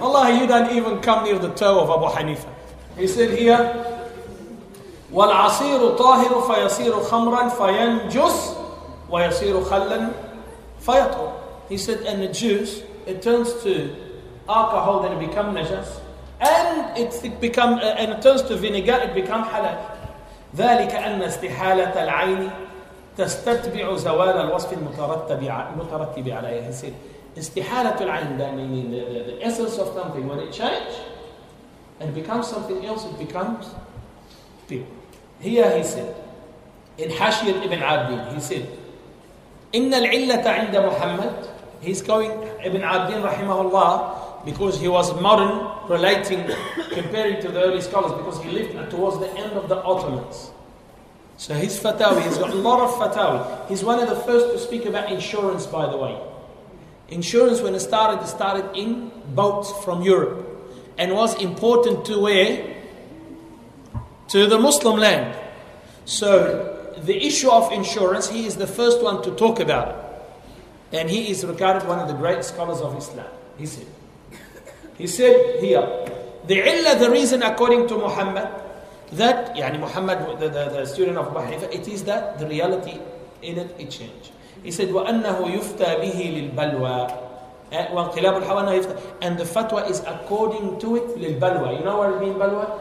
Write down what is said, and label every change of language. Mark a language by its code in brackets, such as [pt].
[en] Wallahi, you don't even come near the toe of Abu Hanifa. He said here, [ar] والعصير طاهر فيصير خمرا فينجس ويصير خلا فيطهر. [en] He said, and the juice, it turns to alcohol, then it becomes najas. And it turns to vinegar, it becomes halal. [ar] ذلك أن استحالة العين تستتبع زوال الوصف المترتب عليه. [en] He said, [ar] استحالة العين, [en] that meaning the essence of something, when it changes and becomes something else, it becomes pure. Here he said, in Hashir ibn Abdin, he said, [ar] إن العلة عند محمد. [en] He's going, Ibn Abdin rahimahullah, because he was modern, relating, comparing to the early scholars, because he lived towards the end of the Ottomans. So his fatawi, he's got a lot of fatawi. He's one of the first to speak about insurance, by the way. Insurance, when it started in boats from Europe, and was important to where? To the Muslim land. So the issue of insurance, he is the first one to talk about it. And he is regarded one of the great scholars of Islam. He said here, the illa, the reason according to Muhammad, that, yani Muhammad, the student of Bahifa, it is that the reality in it changed. He said, [ar] وَأَنَّهُ يُفْتَى بِهِ لِلْبَلْوَى وَانْقِلَابُ الْحَوَانَهُ يُفْتَى. [en] And the fatwa is according to it, لِلْبَلْوَى. You know what it means, بَلْوَى?